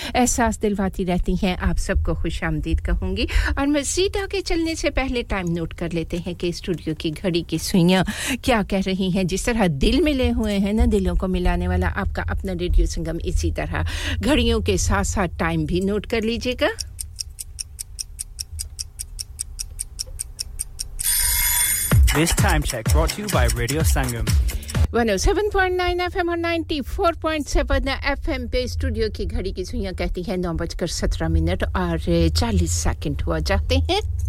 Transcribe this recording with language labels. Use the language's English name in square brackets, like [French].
[Urdu] احساس دلواتی رہتی ہیں آپ سب کو خوش آمدید کہوں گی اور مزید آگے چلنے سے پہلے ٹائم نوٹ کر لیتے ہیں کہ اسٹوڈیو کی گھڑی کی سوئیاں کیا کہہ رہی ہیں جس طرح دل ملے ہوئے ہیں نا دلوں کو ملانے والا آپ کا اپنا ریڈیو سنگم اسی طرح گھڑیوں کے ساتھ ساتھ ٹائم بھی نوٹ کر لیجیے گا [English] This time check brought to you by Radio Sangam. [Urdu] 107.9 FM اور 94.7 FM پہ اسٹوڈیو کی گھڑی کی سوئیاں کہتی ہیں 9:17 اور 40 سیکنڈ ہوا جاتے ہیں